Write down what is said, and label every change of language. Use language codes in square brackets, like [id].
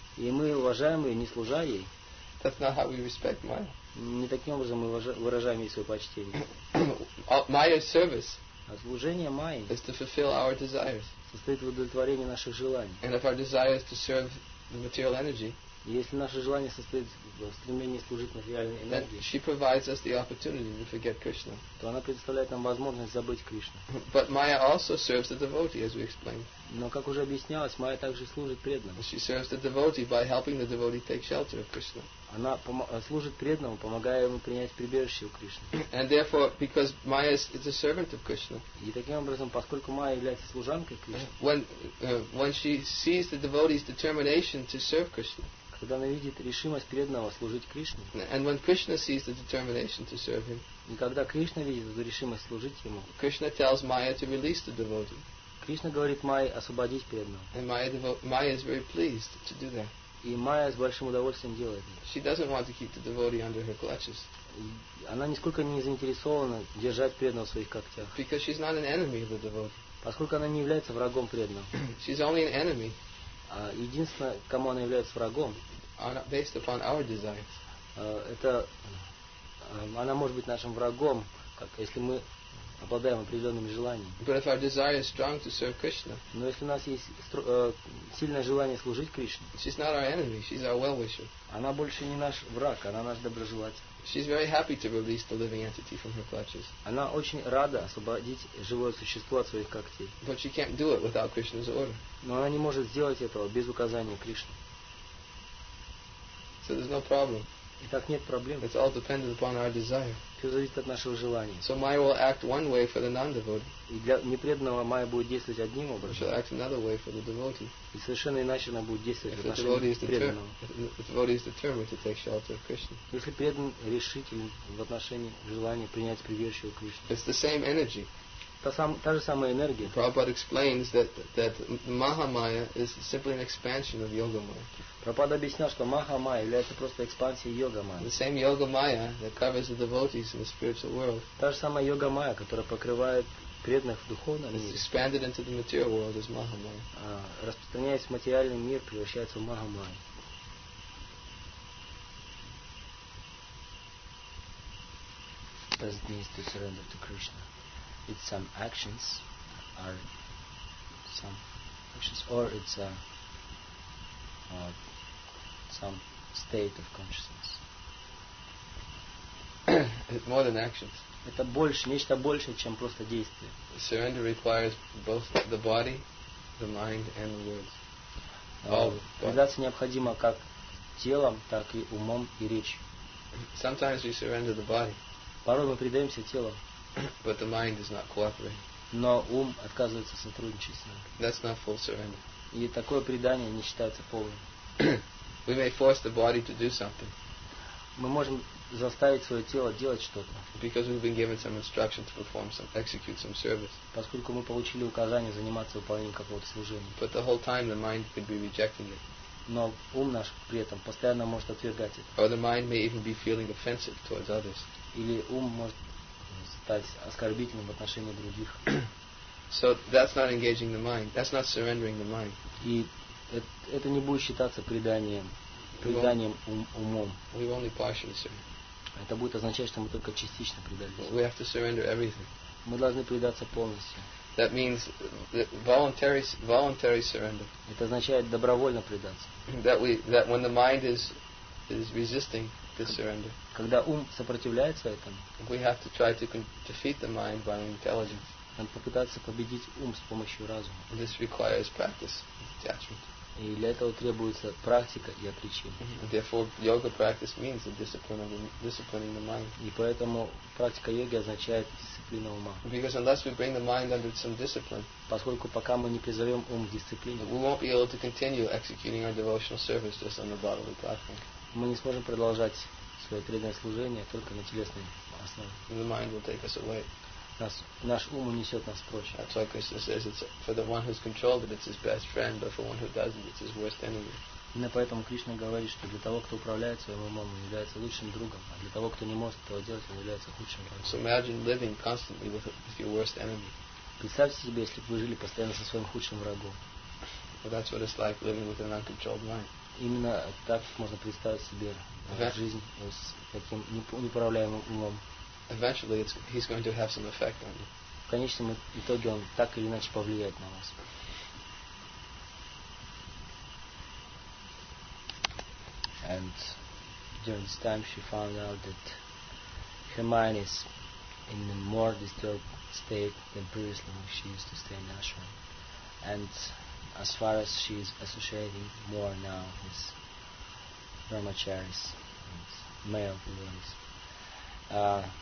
[ru] И мы уважаем ее, не служа ей. [en] That's not how we respect Maya. [ru] Не таким образом мы выражаем ей свое почтение. [en] Maya's service. [ru] А служение Майи. [en] Is to fulfill our desires. [ru] Состоит в удовлетворении наших желаний. [en] And if our desire is to serve the material energy. [ru] Если наше желание состоит в стремлении служить материальной энергии, [en] she provides us the opportunity to forget Krishna. [ru] То она предоставляет нам возможность забыть Кришну. [en] But Maya also serves the devotee, as we explained. [ru] Но, как уже объяснялось, Майя также служит преданному. [en] She serves the devotee by helping the devotee take shelter of Krishna. [ru] Она служит преданному, помогая ему принять прибежище у Кришны. [en] And therefore, because Maya is a servant of Krishna. [ru] И таким образом, поскольку Майя является служанкой Кришны, [en] when she sees the devotee's determination to serve Krishna. [ru] Когда она видит решимость преданного служить Кришне. [en] And when Krishna sees the determination to serve him. [ru] И когда Кришна видит эту решимость служить ему. [en] Krishna tells Maya to release the devotee. [ru] Кришна говорит Майе освободить преданного. [en] And Maya is very pleased to do that. [ru] И Майя с большим удовольствием делает. [en] She doesn't want to keep the devotee under her clutches. [ru] Она нисколько не заинтересована держать преданного в своих когтях. [en] Because she's not an enemy of the devotee. [ru] Поскольку она не является врагом преданного. [en] She's only an enemy. [ru] Единственное, кому она является врагом, [en] based upon our desires. [ru] Это она может быть нашим врагом, как если мы обладаем определенными желаниями. [en] But if our desire is strong to serve Krishna, [ru] но если у нас есть сильное желание служить Кришне, [en] she's not our enemy, she's our well-wisher. [ru] Она больше не наш враг, она наш доброжелатель. [en] She's very happy to release the living entity from her clutches. [ru] Она очень рада освободить живое существо от своих когтей. [en] But she can't do it without Krishna's order. [ru] Но она не может сделать этого без указания Кришны. [en] So there's no problem. [ru] И так нет проблем. [en] It's all dependent upon our desire. [ru] Все зависит от нашего желания. [en] So Maya will act one way for the non-devotee. [ru] И для непреданного Майя будет действовать одним образом. [en] She'll act another way for the devotee. [ru] И совершенно иначе она будет действовать для нашего преданного. [en] If the devotee is determined to take shelter of Krishna. [ru] Если преданный решителен в отношении желания принять прибежище у Кришны. [en] It's the same energy. [ru] Та же самая энергия. [en] Prabhupada explains that Mahamaya is simply an expansion of Yoga Maya. [ru] Прабхупада объяснял, что Махамая является просто экспансией Йога-майя. [en] The same Yoga Maya that covers the devotees in the spiritual world. [ru] Та же самая Йога Майя, которая покрывает преданных в духовном мире. [en] It's expanded into the material world as Mahamaya. [ru] Распространяясь в материальный мир, превращается в Махамаю. [en] Present needs to surrender to Krishna. It's some actions or some actions or it's a some state of consciousness. It's more than actions. [ru] Это больше, нечто большее, чем просто действие. [en] Surrender requires both the body, the mind and the words. [ru] Предаться необходимо как телом, так и умом и речью. [en] Sometimes we surrender the body. [ru] Порой мы предаемся телом. [en] But the mind is not cooperating. [ru] Но ум отказывается сотрудничать с нами. [en] That's not full surrender. [ru] И такое предание не считается полным. [en] We may force the body to do something. [ru] Мы можем заставить свое тело делать что-то. [en] Because we've been given some instruction to perform some, execute some service. [ru] Поскольку мы получили указание заниматься выполнением какого-то служения. [en] But the whole time the mind could be rejecting it. [ru] Но ум наш при этом постоянно может отвергать это. [en] Or the mind may even be feeling offensive towards others. [ru] Или ум может стать оскорбительным в отношении других. [en] So that's not engaging the mind. That's not surrendering the mind. [ru] И это не будет считаться преданием умом. [en] We only partially surrender. [ru] Это будет означать, что мы только частично предали. [en] We have to surrender everything. [ru] Мы должны предаться полностью. [en] That means voluntary surrender. [ru] Это означает добровольно предаться. [en] That when the mind is resisting. To surrender. [ru] Когда ум сопротивляется этому, [en] we have to try to defeat the mind by intelligence. [ru] Надо попытаться победить ум с помощью разума. [en] This requires practice, attachment. [ru] И для этого требуется практика и отречение. [en] Therefore, yoga practice means the discipline of the, disciplining the mind. [ru] И поэтому практика йоги означает дисциплина ума. [en] Because unless we bring the mind under some discipline, [ru] поскольку пока мы не призовем ум к дисциплине, [en] we won't be able to continue executing our devotional service just on the bodily platform. [ru] Мы не сможем продолжать свое преданное служение только на телесной основе. [en] The mind will take us away. [ru] Наш ум унесет нас прочь. [en] That's why Krishna says it's for the one who's controlled it, it's his best friend, but for one who doesn't, it's his worst enemy. [ru] Именно поэтому Кришна говорит, что для того, кто управляет своим умом, он является лучшим другом, а для того, кто не может этого делать, он является худшим другом. [en] So imagine living constantly with your worst enemy. [ru] Представьте себе, если бы вы жили постоянно со своим худшим врагом. [en] Well, that's what it's like living with an uncontrolled mind. [ru] Именно так можно представить себе жизнь с таким неуправляемым умом. [en] Eventually, he's going to have some effect on you. [ru] В конечном итоге он так или иначе повлияет на вас. [en] And during this time, she found out that her mind is in a more disturbed state than previously when she used to stay in ashram. And as far as she is associating more now with brahmacharis, male devotees.